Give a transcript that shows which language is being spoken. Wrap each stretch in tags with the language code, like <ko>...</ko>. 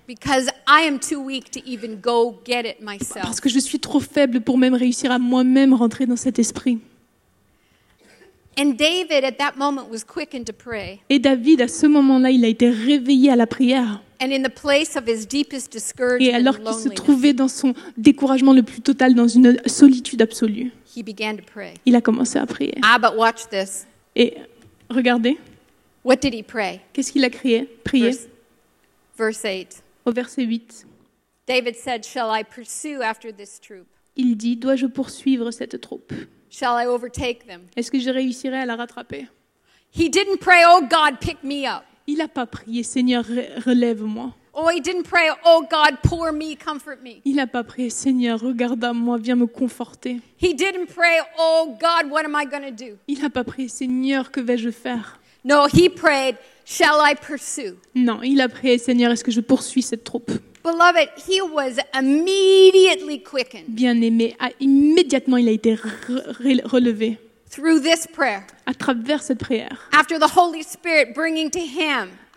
<en>Because I am too weak to even go get it myself.</en> <fr>Parce que je suis trop faible pour même réussir à moi-même rentrer dans cet esprit.</fr> <en>And David at that moment was quickened to pray.</en> <fr>Et David à ce moment-là, il a été réveillé à la prière.</fr> <en>And in the place of his deepest discouragement.</en> <fr>Et alors qu'il se trouvait dans son découragement le plus total, dans une solitude absolue.</fr> <en>He began to pray.</en> <fr>Il a commencé à prier.</fr> <en>Ah, but watch this.</en> <fr>Et regardez.</fr> <en>What did he pray?</en> <fr>Qu'est-ce qu'il a crié? Prié.</fr> <en>Verse 8.</en> <fr>Au verset 8.</fr> <en>David said, "Shall I pursue after this troop?"</en> <fr>Il dit, dois-je poursuivre cette troupe?</fr> <en>"Shall I overtake them?"</en> <fr>Est-ce que je réussirai à la rattraper?</fr> <en>He didn't pray, "Oh God, pick me up."</en> <fr>Il a pas prié, Seigneur, relève-moi.</fr> <en>Oh, he didn't pray, "Oh God, pour me, comfort me."</en> <fr>Il a pas prié, Seigneur, regarde-moi, viens me conforter.</fr> <en>He didn't pray, "Oh God, what am I going to do?"</en> <fr>Il a pas prié, Seigneur, que vais-je faire?</fr> <en>No, he prayed, "Shall I pursue?"</en> <fr>Non, il a prié, Seigneur, est-ce que je poursuis cette troupe?</fr> <en>Beloved, he was immediately quickened.</en> <fr>Bien-aimé, immédiatement il a été relevé.</fr> <en>Through this prayer.</en> <fr>À travers cette prière.</fr> <en>After the Holy Spirit bringing to him</en>